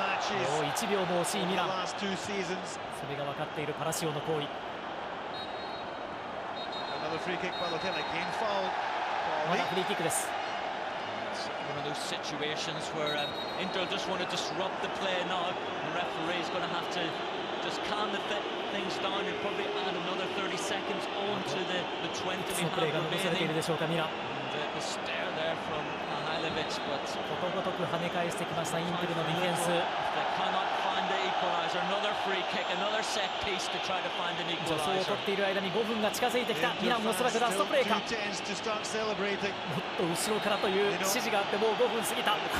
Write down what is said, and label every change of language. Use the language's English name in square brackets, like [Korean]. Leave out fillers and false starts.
[Japanese] もう1秒も惜しいミラン。それが分かっているパラシオの行為。まだフリーキックです。 [English] One of those situations where Inter just want to disrupt the play. Now the referee is going to have to just calm the things down and probably add another 30 seconds on to the 20 we have remaining. And the stare there from Mihailovic, but [Japanese] ことごとく跳ね返してきましたインテルのディフェンス。 [English] They cannot find the equalizer. Another free kick, another set piece to try to find an equalizer. [Japanese] 助走を取っている間に5分が近づいてきた。ミランもおそらくラストプレーか。もっと後ろからという指示があってもう5分過ぎた。